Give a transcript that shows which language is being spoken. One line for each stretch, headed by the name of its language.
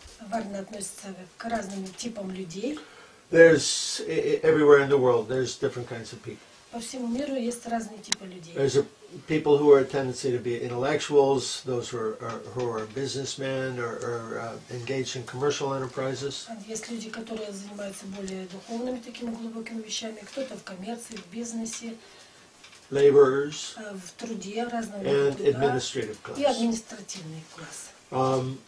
Russian: Varna относится к разным типам людей.
English: There's everywhere in the world, there's different kinds of people.
Russian: По всему миру есть разные типы людей.
English: There's people who are a tendency to be intellectuals, those who are businessmen or engaged in commercial enterprises.
Russian: Есть люди, которые занимаются более духовными такими глубокими вещами. Кто-то в коммерции, в бизнесе.
English: Laborers.
Russian: В труде разного рода.
English: And administrative class.
Russian: И административный класс.